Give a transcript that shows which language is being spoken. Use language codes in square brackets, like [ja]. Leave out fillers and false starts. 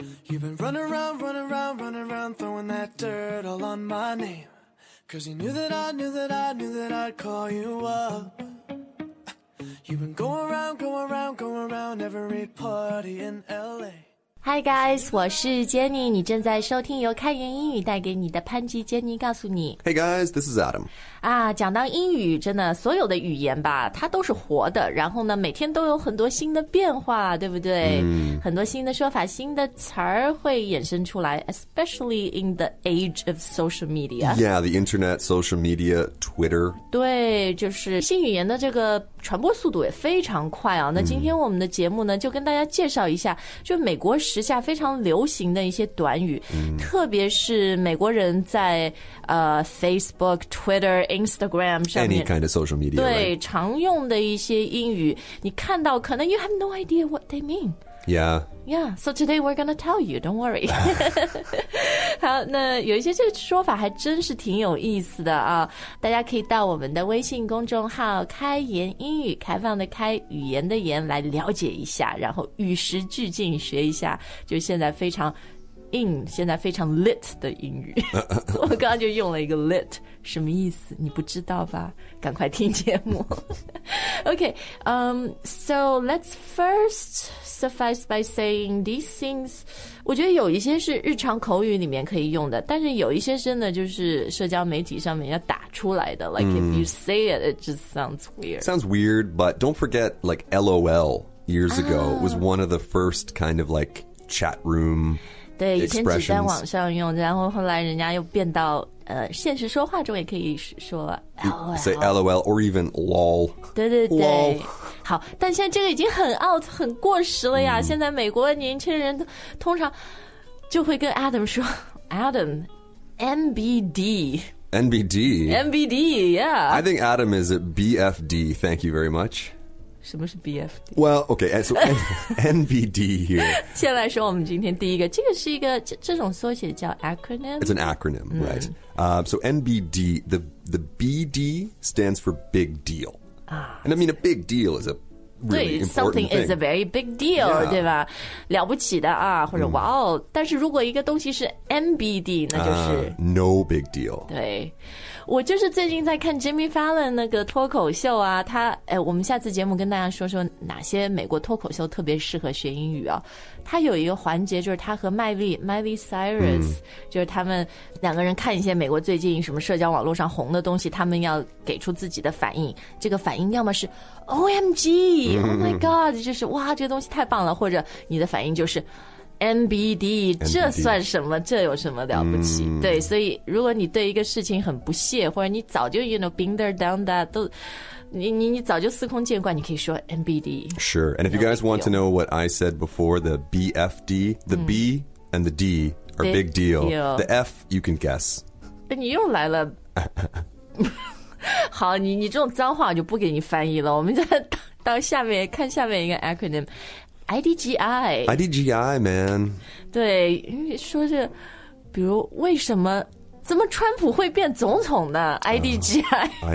[en] You've been running around, running around, running around, throwing that dirt all on my name. 'Cause you knew that I knew that I knew that I'd call you up. You've been going around, going around, going around every party in LA. Hi guys, [zh] 我是 Jenny, 你正在收听由开言英语带给你的潘吉 Jenny 告诉你。 [en] Hey guys, this is Adam. [zh] 啊，讲到英语，真的所有的语言吧，它都是活的，然后呢，每天都有很多新的变化，对不对？很多新的说法，新的词儿会衍生出来， [en] especially in the age of social media. Yeah, the internet, social media, Twitter. [zh] 对，就是新语言的这个传播速度也非常快啊。那今天我们的节目呢，就跟大家介绍一下，就美国时下非常流行的一些短语，特别是美国人在Facebook, Twitter, Instagram 上面 [en] any kind of social media [zh] 对、 [en] right? [zh] 常用的一些英语，你看到可能 [en] you have no idea what they mean. Yeah. So today we're gonna tell you. Don't worry. [zh] 好，那有一些这个说法还真是挺有意思的啊。大家可以到我们的微信公众号“开言英语”，开放的开，语言的言，来了解一下，然后与时俱进学一下。就现在非常 in， 现在非常 lit 的英语。我刚刚就用了一个 lit， 什么意思？你不知道吧？赶快听节目。 [en] Okay, so let's first. Suffice by saying these things, [zh] 我觉得有一些是日常口语里面可以用的，但是有一些真的就是社交媒体上面要打出来的。 [en] Like if you say it, it just sounds weird. Sounds weird, but don't forget, like LOL years ago was one of the first kind of like chat room expressions. [zh] 对，以前只在网上用，然后后来人家又变到现实说话中也可以说 LOL. [en] Say LOL or even LOL. [zh] 对对对。LOL. 好，但现在这个已经很 out 很过时了呀、现在美国年轻人通常就会跟 Adam 说 Adam NBD [en] NBD NBD yeah I think Adam is a BFD thank you very much [zh] 什么是 BFD [en] well okay so NBD here [zh] 先来说我们今天第一个这个是一个 这种缩写叫 acronym [en] it's an acronym、right so NBD the BD stands for big dealAnd I mean, a big deal is a really important thing. Something is a very big deal, [zh] 对吧？了不起的啊，或者哇哦！但是如果一个东西是 NBD, 那就是 [en] no big deal. [zh] 对，我就是最近在看 Jimmy Fallon 那个脱口秀啊，他哎，我们下次节目跟大家说说哪些美国脱口秀特别适合学英语啊。他有一个环节就是他和Miley Cyrus, 就是他们两个人看一些美国最近什么社交网络上红的东西，他们要给出自己的反应。这个反应要么是 OMG, [en] Oh my God, [zh] 就是哇，这个东西太棒了，或者你的反应就是 NBD, 这算什么？这有什么了不起？对，所以如果你对一个事情很不屑，或者你早就 [en] you know been there done that [zh] 都。你早就司空见惯，你可以说 NBD. [en] Sure, and if you guys want to know what I said before, the BFD, the B and the D are big deal. The F, you can guess. [zh] 你又来了。好，你这种脏话我就不给你翻译了。我们再到下面看下面一个 acronym, IDGI. [en] IDGI, man. [zh] 对，说是，比如为什么。怎么川普会变总统呢 ?IDGI.